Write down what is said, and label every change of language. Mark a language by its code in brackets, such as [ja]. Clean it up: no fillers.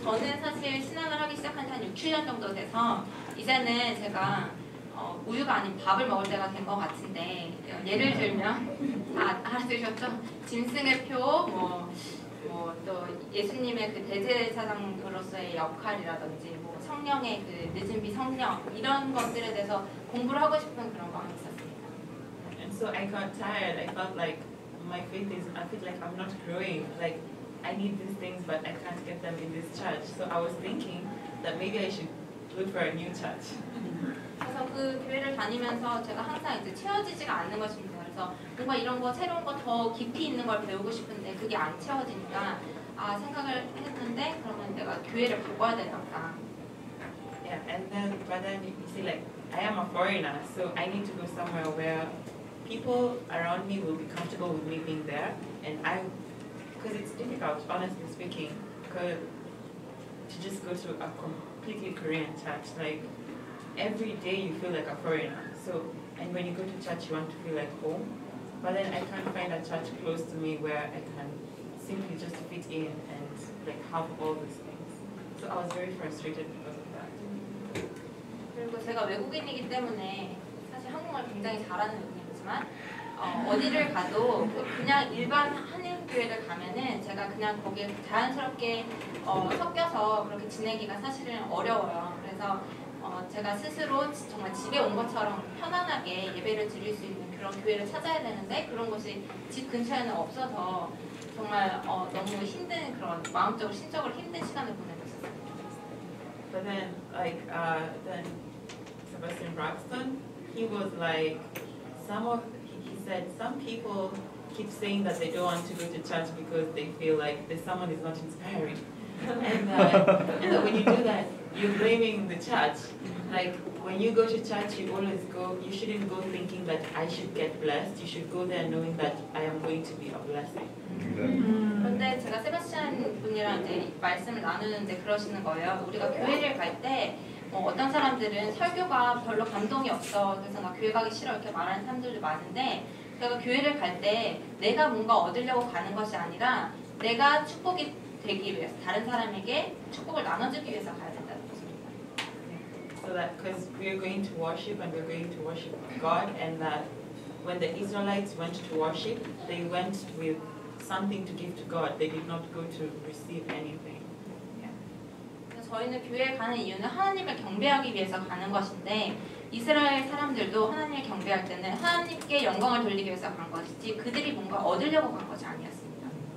[ko] 저는 사실 신앙을 하기 시작한 지 한 6, 7년 정도 돼서 이제는 제가 우유가 아닌 밥을 먹을 때가 된 것 같은데 예를 들면 다 알아들으셨죠? 짐승의 표, 또 예수님의 그 대제사장으로서의 역할이라든지 뭐 성령의 그 늦은비 성령 이런 것들에 대해서 공부를 하고 싶은 그런 마음이 있었습니다. [en] And so I got tired. I felt like my faith is, I feel like I'm not growing. Like I need these things, but I can't get them in this church. So I was thinking that maybe I should look for a new church. [ko] 그래서 그 교회를 다니면서 제가 항상 이제 채워지지가 않는 것입니다. 뭔가 이런 거 새로운 거 더 깊이 있는 걸 배우고 싶은데 그게 안 채워지니까 생각을 했는데 그러면 내가 교회를 바꿔야 되겠다. [en] Yeah, and then but then you see like I am a foreigner, so I need to go somewhere where people around me will be comfortable with me being there, and I, because it's difficult, honestly speaking, to just go to a completely Korean church. Like every day you feel like a foreigner. So. And when you go to church, you want to feel like home. But then I can't find a church close to me where I can simply just fit in and like have all these things. So I was very frustrated because of that. [ko] 그리고 제가 외국인이기 때문에 사실 한국말 굉장히 잘하는 외국인이지만 어디를 가도 그냥 일반 한인 교회를 가면은 제가 그냥 거기에 자연스럽게 섞여서 그렇게 지내기가 사실은 어려워요. 그래서 제가 스스로 정말 집에 온 것처럼 편안하게 예배를 드릴 수 있는 그런 교회를 찾아야 되는데 그런 곳이 집 근처에는 없어서 정말 너무 힘든 그런 마음적으로 신적으로 힘든 시간을 보내고 있었어요. [en] But then, like, then Sebastian Braxton, he was like, he said, some people keep saying that they don't want to go to church because they feel like the sermon is not inspiring. And when you do that, you're blaming the church. Like, when you go to church, you always go, you shouldn't go thinking that I should get blessed. You should go there knowing that I am going to be a blessing. [ko] 근데 제가 세바스찬 분이랑 이제 말씀을 나누는데 그러시는 거예요. 우리가 교회를 갈 때 어떤 사람들은 설교가 별로 감동이 없어 그래서 막 교회 가기 싫어 이렇게 말하는 사람들도 많은데 제가 교회를 갈 때 내가 뭔가 얻으려고 가는 것이 아니라 내가 축복이 되기 위해서 다른 사람에게 축복을 나눠주기 위해서 가야 된다는 것입니다. [en] So that because we're going to worship and we're going to worship God and that when the Israelites went to worship, they went with something to give to God. They did not go to receive anything. Yeah. [ko] 저희는 교회 가는 이유는 하나님을 경배하기 위해서 가는 것인데 이스라엘 사람들도 하나님을 경배할 때는 하나님께 영광을 돌리기 위해서 간 것이지 그들이 뭔가 얻으려고 간 것이 아니었습니다.